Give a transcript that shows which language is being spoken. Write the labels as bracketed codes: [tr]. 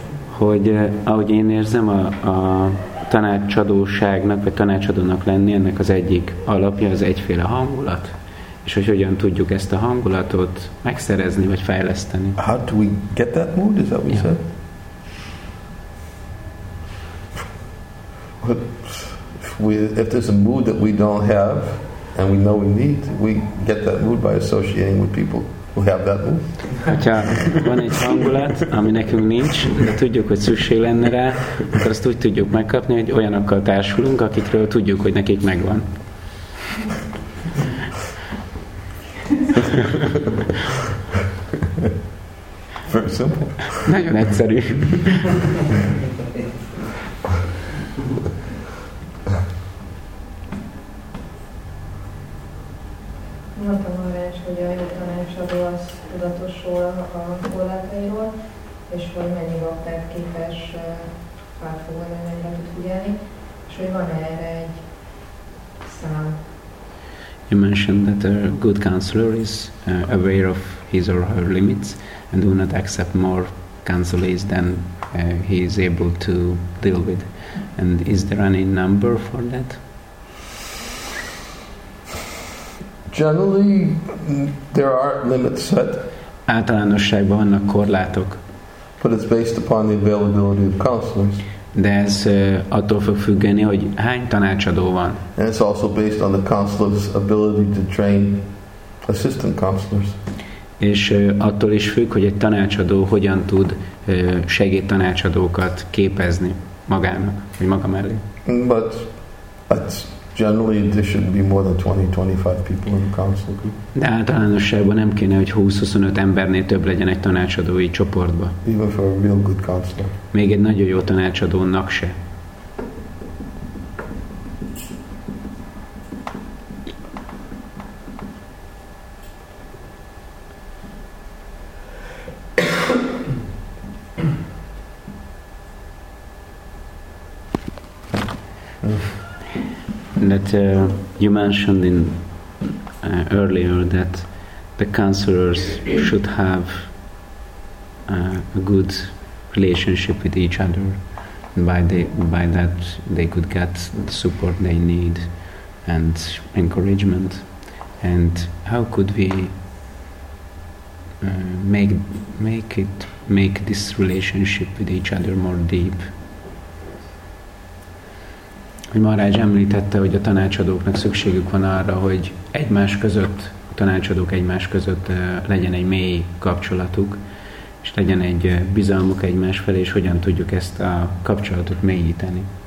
[hu] Hogy ahogy én érzem, a tanácsadóságnak, vagy tanácsadónak lenni, ennek az egyik alapja az egyféle hangulat. És hogy hogyan tudjuk ezt a hangulatot megszerezni, vagy fejleszteni. [en] How do we get that mood, is that what you said? But if there's a mood that we don't have, and we know we need, we get that mood by associating with people who have that mood. [hu] Hogyha van egy hangulat, ami nekünk nincs, de tudjuk, hogy szükség lenne rá, akkor azt úgy tudjuk megkapni, hogy olyanokkal társulunk, akikről tudjuk, hogy nekik megvan. [en] Very simple. [hu] Nagyon egyszerű. Mondtam arra is, hogy a jó tanácsadó az tudatosul a korlátairól, és hogy mennyi baktát képes pártfogolni, mennyire tud figyelni, és hogy van erre egy szám. [en] You mentioned that a good counselor is aware of his or her limits and do not accept more counselees than he is able to deal with. And is there any number for that? Generally, there are limits set. [hu] Általánosságban vannak korlátok. [en] But it's based upon the availability of counselors. [hu] De ez attól fog függeni, hogy hány tanácsadó van. [en] And it's also based on the counselor's ability to train assistant counselors. [hu] És attól is függ, hogy egy tanácsadó hogyan tud segédtanácsadókat képezni magának, vagy maga mellé. [en] But generally there should be more than 20-25 people in the council group. [hu] De általánosságban nem kéne, hogy 20-25 embernél több legyen egy tanácsadói csoportba. [en] Even for a real good counselor. [hu] Még egy nagyon jó tanácsadónak se. [en] that you mentioned in earlier that the counselors should have a good relationship with each other, and by that they could get the support they need and encouragement. And how could we make this relationship with each other more deep? [hu] Hogy Maharaj említette, hogy a tanácsadóknak szükségük van arra, hogy egymás között, a tanácsadók egymás között legyen egy mély kapcsolatuk, és legyen egy bizalmuk egymás felé, és hogyan tudjuk ezt a kapcsolatot mélyíteni.